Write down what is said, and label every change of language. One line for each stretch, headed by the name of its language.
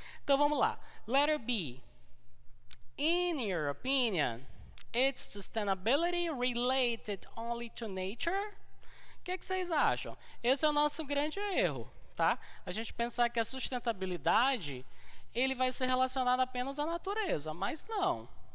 Portuguese: Então, vamos lá. Letter B.
English: In your opinion, is sustainability related only to nature?
Portuguese: O que vocês acham? Esse é o nosso grande erro. Tá? A gente pensar que a sustentabilidade ele vai ser relacionado apenas à natureza, mas não.